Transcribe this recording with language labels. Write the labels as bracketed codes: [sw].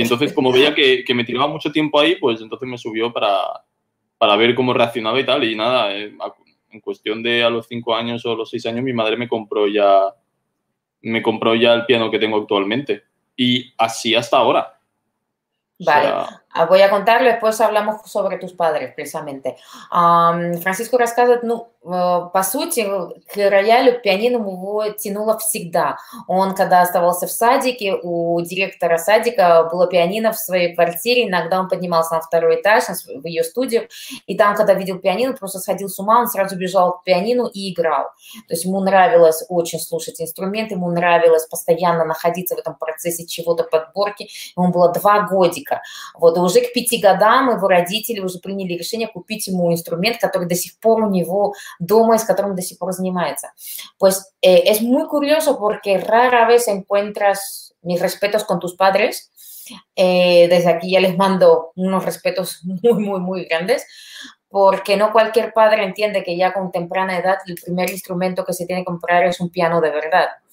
[es] Y entonces, como veía que me tiraba mucho tiempo ahí, pues entonces me subió para ver cómo reaccionaba y tal. Y nada, en cuestión de a los 5 años o a los 6 años, mi madre me compró ya el piano que tengo actualmente. Y así hasta ahora. Vale, voy a contarlo, después hablamos sobre tus padres, precisamente. [ru] Francisco рассказывает, ну, по сути, к роялю пианино его тянуло всегда. Он, когда оставался в садике, у директора садика было пианино в своей квартире, иногда он поднимался на второй этаж, в ее студию, и там, когда видел пианино, просто сходил с ума, он сразу бежал к пианино и играл. То есть ему нравилось очень слушать инструмент, ему нравилось постоянно находиться в этом процессе чего-то подборки, ему было 2 годика. Вот, и уже к 5 годам его родители уже приняли решение купить ему инструмент, который до сих пор у него дома, с которым до сих пор занимается. [es] Pues es muy curioso porque rara vez encuentras mis respetos con tus padres. Desde aquí ya les mando unos respetos muy, muy, muy grandes. Porque no cualquier padre entiende que ya con temprana edad el primer instrumento que se tiene que comprar es un piano de verdad.